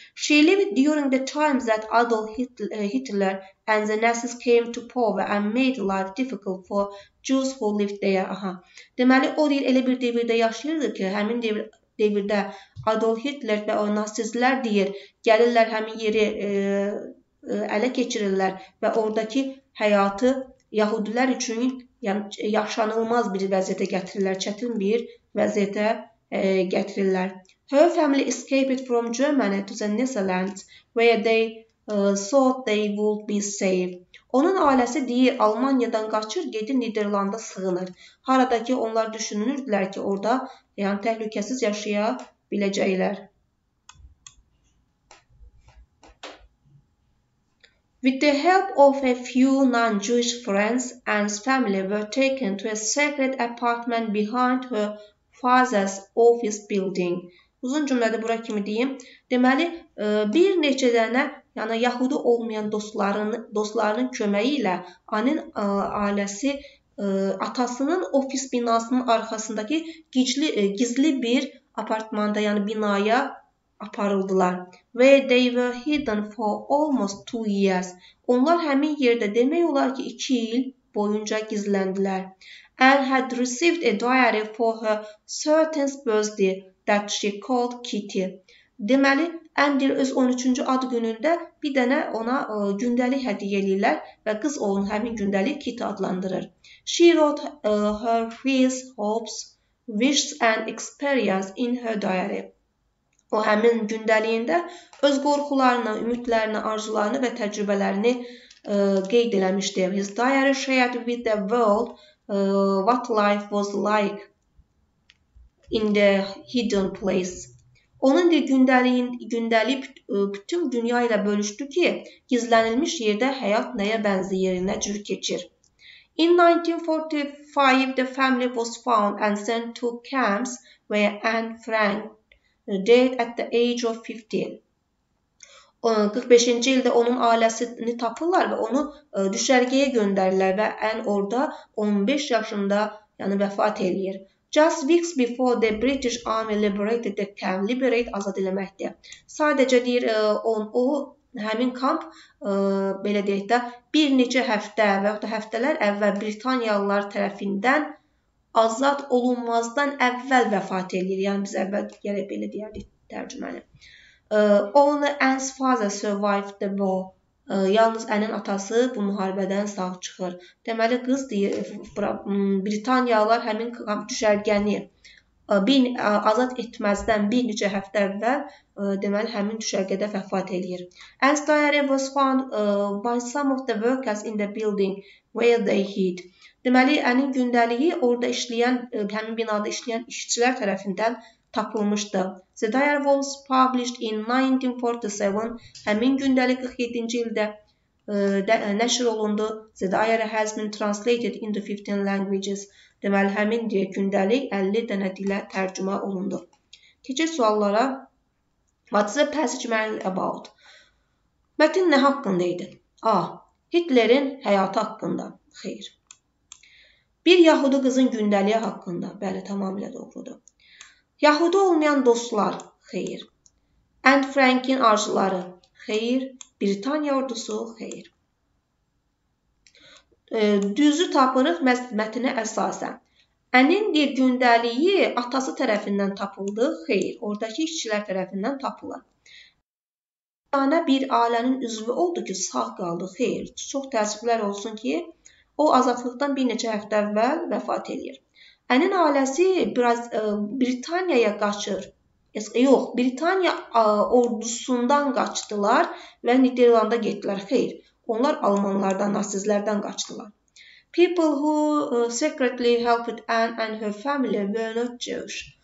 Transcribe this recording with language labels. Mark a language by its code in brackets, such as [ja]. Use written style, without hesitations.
[en] She lived during the times that Adolf Hitler and the Nazis came to power and made life difficult for Jews who lived there. Aha. [az] Deməli, o deyil, elə bir devirdə yaşayırdı ki, həmin devirdə Adolf Hitler və o Nazislər deyir, gəlirlər həmin yeri ələ keçirirlər və oradakı həyatı yahudilər üçün yaşanılmaz bir vəziyyətə gətirirlər, çətin bir vəziyyətə gətirirlər. [en] Her family escaped from Germany to the Netherlands where they thought they would be safe. [az] Onun ailəsi deyir, Almanya'dan qaçır, gedir Niderlanda sığınır. Haradakı onlar düşünürdülər ki, orada yəni təhlükəsiz yaşaya biləcəklər. [en] With the help of a few non-Jewish friends, Anne's family were taken to a secret apartment behind her father's office building. [az] Uzun cümlədə bura kimi deyim. Deməli, bir neçə dənə, yəni yahudi olmayan dostlarının köməyi ilə anın ailəsi atasının ofis binasının arkasındaki gizli bir apartmanda, yani binaya aparıldılar. [en] Where they were hidden for almost 2 years. [az] Onlar həmin yerdə demək olar ki 2 il boyunca gizləndilər. [en] Elle had received a diary for her 13th birthday that she called Kitty. [az] Deməli, Andy öz 13-cü ad günündə bir dənə ona gündəlik hədiyyə edirlər və qız onun həmin gündəlik Kitty adlandırır. [en] She wrote her fears, hopes, wishes and experience in her diary. [az] O həmin gündəliyində öz qorxularını, ümidlərini, arzularını və təcrübələrini qeyd eləmişdi. [en] His diary shared with the world what life was like in the hidden place. [az] Onun bir gündəliyi bütün dünya ilə bölüşdü ki, gizlənilmiş yerdə həyat nəyə bənziyir, nə cür keçir. [en] In 1945, the family was found and sent to camps where Anne Frank died at the age of 15. [az] 45-ci ildə onun ailəsini tapırlar və onu düşərgəyə göndərirlər və Anne orada 15 yaşında, yəni vəfat eləyir. [en] Just weeks before the British Army liberated the camp, liberate [az] azad eləməkdir. Sadəcə deyir, o həmin kamp, belə deyək də, bir neçə həftə və yaxud da həftələr əvvəl Britaniyalılar tərəfindən azad olunmazdan əvvəl vəfat edir. Yəni, biz əvvəl gələk belə deyərdik tərcüməni. [en] Only Anne's father survived the war. [az] Yalnız Anne'in atası bu müharibədən sağ çıxır. Deməli, qız deyir, Britaniyalılar həmin düşərgəni azad etməzdən bir neçə həftə əvvəl, deməli, həmin düşərgədə vəfat edir. [en] Anne's diary was found by some of the workers in the building where they hid. [az] Deməli, Anne'in gündəliyi orada işləyən, həmin binada işləyən işçilər tərəfindən tapılmışdı. [en] The diary was published in 1947. [az] Həmin gündəlik 47-ci ildə nəşr olundu. [en] The diary has been translated into 15 languages. [az] Deməli, həmin deyə gündəlik 50 dənə dilə tərcümə olundu. Keçək suallara. [en] What's the passage mainly about? [az] Mətin nə haqqında idi? A. Hitlerin həyatı haqqında. Xeyr. Bir yahudi qızın gündəliyi haqqında. Bəli, tamamilə doğrudur. Yahudi olmayan dostlar, xeyr. Anne Frank'in arzuları, xeyr. Britaniya ordusu, xeyr. Düzü tapırıq mətinə əsasən. Anne'in bir gündəliyi atası tərəfindən tapıldı, xeyr. Oradakı işçilər tərəfindən tapılır. Anne bir ailənin üzvü oldu ki, sağ qaldı, xeyr. Çox təəssüflər olsun ki, o azadlıqdan bir neçə həftə əvvəl vəfat edir. Anne'in ailəsi Britaniyaya qaçır. Yox, Britaniya ordusundan qaçdılar və Niderlanda getdilər. Xeyr, onlar Almanlardan, nazistlərdən qaçdılar. [en] People who secretly helped Anne and her family were not Jewish.